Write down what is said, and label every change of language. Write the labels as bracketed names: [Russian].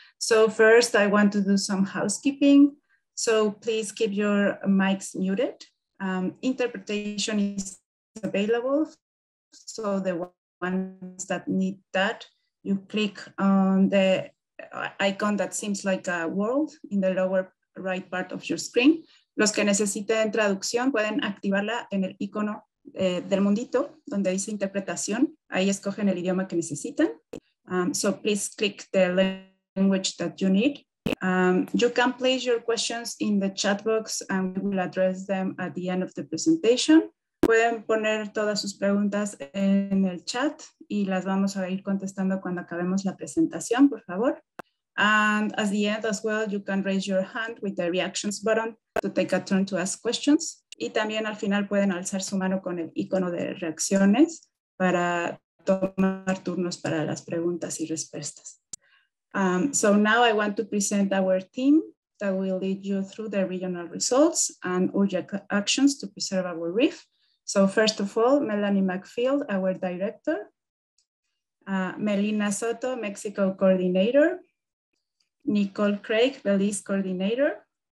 [English] So first I want to do some housekeeping. So please keep your mics muted. Interpretation is available. So the ones that need that, you click on the icon that seems like a world in the lower right part of your screen. [Spanish] Los que necesiten traducción pueden activarla en el icono del mundito donde dice interpretación. Ahí escogen el idioma que necesitan. [English] So please click the language that you need. You can place your questions in the chat box and we will address them at the end of the presentation. [Spanish] Pueden poner todas sus preguntas en el chat y las vamos a ir contestando cuando acabemos la presentación, por favor. [English] And at the end as well, you can raise your hand with the reactions button to take a turn to ask questions. [Spanish] Y también al final pueden alzar su mano con el icono de reacciones para tomar turnos para las preguntas y respuestas. [English] So now I want to present our team that will lead you through the regional results and urgent actions to preserve our reef. So first of all, Melanie McField, our director. Melina Soto, Mexico coordinator. Nicole Craig, Belize coordinator.